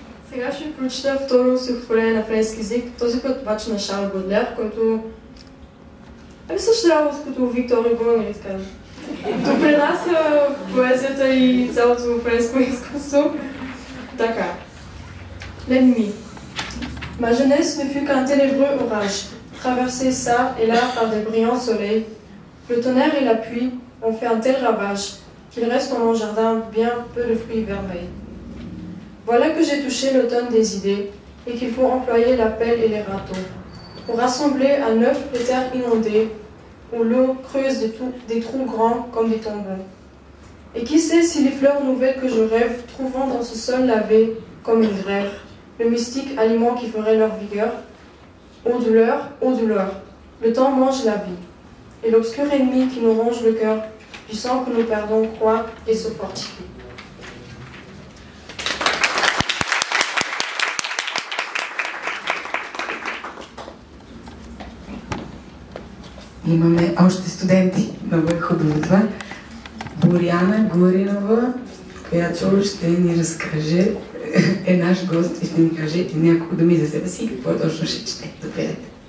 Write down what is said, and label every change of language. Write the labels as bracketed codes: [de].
[bg] Сега ще прочета второ стихотворение на френски език, този път обаче на Шарл Бодлер, който... Ами същата работа като Виктор Хюго, нали така? Допринася поезията и цялото френско изкуство. Така. [fr] La nuit. Ma jeunesse ne fut qu'un ténébreux orage, traversé çà et là par des brillants soleils. Le tonnerre et la pluie ont fait un tel ravage qu'il reste dans mon jardin bien peu de fruits vermeils. Voilà que j'ai touché l'automne des idées et qu'il faut employer la pelle et les râteaux pour rassembler à neuf les terres inondées où l'eau creuse des trous grands comme des tombeaux. Et qui sait si les fleurs nouvelles que je rêve trouveront dans ce sol lavé comme une grève le mystique aliment qui ferait leur vigueur. Ô douleur, le temps mange la vie, et l'obscur ennemi qui nous ronge le cœur, du sang que nous perdons croît et se fortifie. Nous avons encore des étudiants, très chouette ça. [bg] Боряна Горинова, която ще ни разкаже, е наш гост и ще ни каже няколко думи за себе си и какво точно ще чете. Заповядайте.